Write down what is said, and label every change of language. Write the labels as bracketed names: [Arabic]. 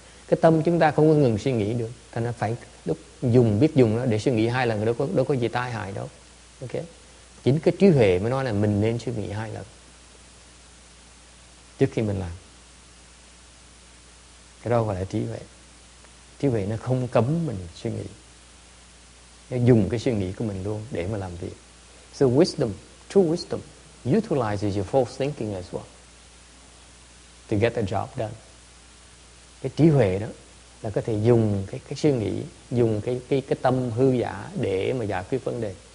[Vietnamese] Cái tâm chúng ta không có ngừng suy nghĩ được. Thế nên phải biết dùng nó để suy nghĩ hai lần đâu có gì tai hại đâu. Ok? Chính cái trí huệ mới nói là mình nên suy nghĩ hai lần trước khi mình làm. Cái đó gọi là trí huệ. Trí huệ nó không cấm mình suy nghĩ. Nó dùng cái suy nghĩ của mình luôn để mà làm việc. [English] So wisdom, true wisdom, utilizes your false thinking as well to get the job done. [Vietnamese] Cái trí huệ đó là có thể dùng cái suy nghĩ, dùng cái tâm hư giả để mà giải quyết vấn đề.